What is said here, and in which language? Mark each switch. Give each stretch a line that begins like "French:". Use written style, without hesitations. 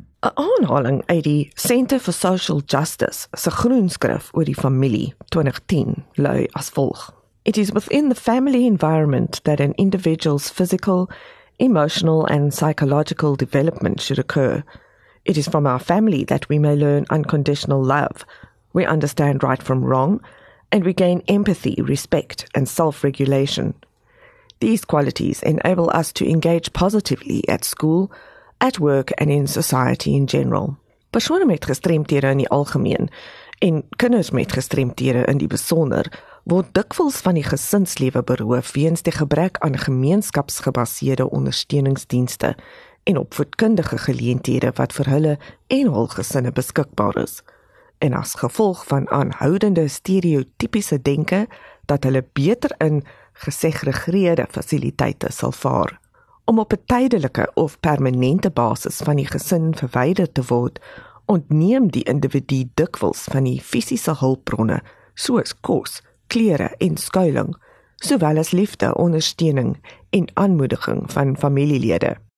Afrikaans: 'n Aanhaling uit die Centre for Social Justice se groenskrif oor die familie 2010 lui as volg.
English: It is within the family environment that an individual's physical, emotional and psychological development should occur. It is from our family that we may learn unconditional love, we understand right from wrong, and we gain empathy, respect and self-regulation. These qualities enable us to engage positively at school, at work and in society in general.
Afrikaans: Persone met gestremdhede in die algemeen en kinders met gestremdhede in die besonder word dikwels van die gesinslewe beroof weens die gebrek aan gemeenskapsgebaseerde ondersteuningsdienste en opvoedkundige geleenthede wat vir hulle en hul gesinne beskikbaar is. En as gevolg van aanhoudende stereotypiese denke dat hulle beter in gesegregeerde fasiliteite sal vaar. Om op 'n tydelike of permanente basis van die gesin verwyder te word, ontneem die individu dikwels van die fisiese hulpbronne, soos kos, klere en skuiling, sowel as liefde, ondersteuning en aanmoediging van familielede.